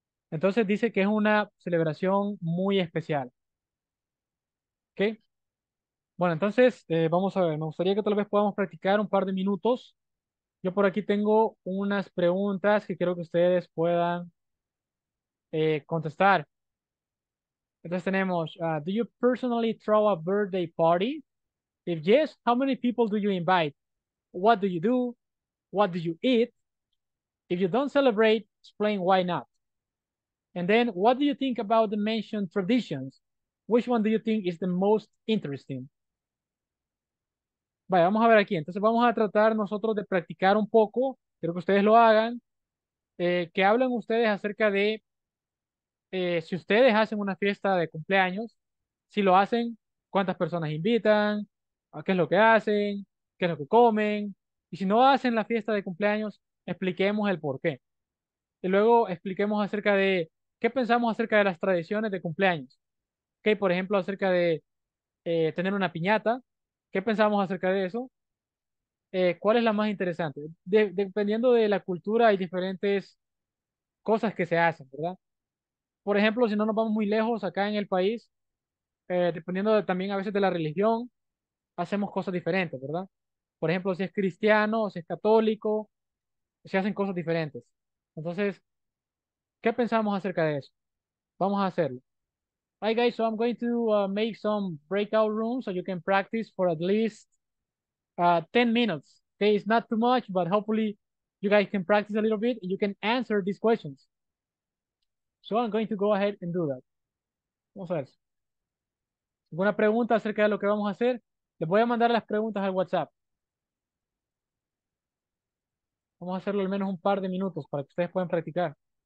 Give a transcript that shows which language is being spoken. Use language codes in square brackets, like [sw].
[es] Entonces dice que es una celebración muy especial. Okay. Bueno, entonces vamos a ver. Me gustaría que tal vez podamos practicar un par de minutos. Yo por aquí tengo unas preguntas que quiero que ustedes puedan contestar. Entonces tenemos, [en] do you personally throw a birthday party? If yes, how many people do you invite? What do you do? What do you eat? If you don't celebrate, explain why not. And then, what do you think about the mentioned traditions? Which one do you think is the most interesting? [es] Vale, vamos a ver aquí. Entonces vamos a tratar nosotros de practicar un poco. Quiero que ustedes lo hagan. Que hablen ustedes acerca de si ustedes hacen una fiesta de cumpleaños, si lo hacen, cuántas personas invitan, a qué es lo que hacen, qué es lo que comen. Y si no hacen la fiesta de cumpleaños, expliquemos el por qué. Y luego expliquemos acerca de qué pensamos acerca de las tradiciones de cumpleaños. Okay, por ejemplo, acerca de tener una piñata. ¿Qué pensamos acerca de eso? ¿Cuál es la más interesante? Dependiendo de la cultura, hay diferentes cosas que se hacen, ¿verdad? Por ejemplo, si no nos vamos muy lejos acá en el país, dependiendo también a veces de la religión, hacemos cosas diferentes, ¿verdad? Por ejemplo, si es cristiano, si es católico, se hacen cosas diferentes. Entonces, ¿qué pensamos acerca de eso? Vamos a hacerlo. [en] All right, guys, so I'm going to make some breakout rooms so you can practice for at least 10 minutes. Okay, it's not too much, but hopefully you guys can practice a little bit and you can answer these questions. So I'm going to go ahead and do that. [es] Vamos a ver. ¿Alguna pregunta acerca de lo que vamos a hacer? Les voy a mandar las preguntas al WhatsApp. Vamos a hacerlo al menos un par de minutos para que ustedes puedan practicar.